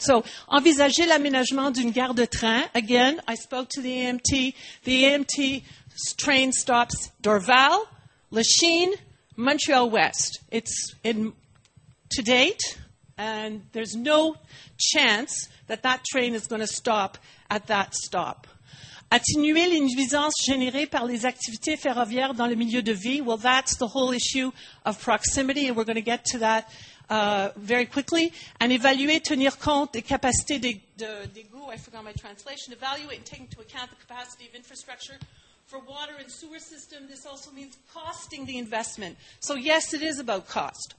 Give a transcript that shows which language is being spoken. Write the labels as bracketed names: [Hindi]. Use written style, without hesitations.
[English] So, envisager l'aménagement d'une gare de train. Again, I spoke to the AMT. The AMT train stops Dorval, Lachine, Montreal West. It's in to date, and there's no chance that that train is going to stop at that stop. [French] Atténuer les nuisances générées par les activités ferroviaires dans le milieu de vie. [English] Well, that's the whole issue of proximity, and we're going to get to that very quickly, and évaluer, tenir compte des capacités des goûts, I forgot my translation, evaluate and take into account the capacity of infrastructure for water and sewer system. This also means costing the investment. So yes, it is about cost.